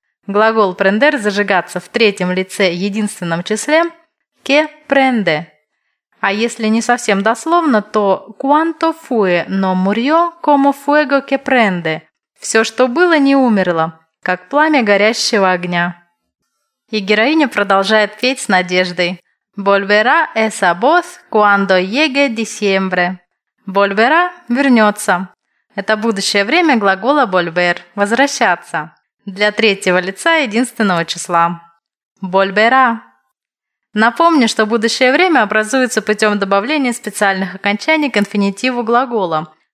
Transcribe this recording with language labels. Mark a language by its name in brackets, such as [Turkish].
[Russian] Глагол «prender» – «зажигаться» в третьем лице единственном числе – [Spanish] «que prende». [Russian] А если не совсем дословно, то [Spanish] «quanto fue, no murió, como fuego que prende» [Russian] – «все, что было, не умерло, как пламя горящего огня». И героиня продолжает петь с надеждой. [Spanish] «Volverá esa voz cuando llegue diciembre». «Volverá» [Russian] – «вернется». Это будущее время глагола «volver» – «возвращаться». Для третьего лица единственного числа. [Spanish] Volverá. [Russian] Напомню, что будущее время образуется путем добавления специальных окончаний к инфинитиву глагола.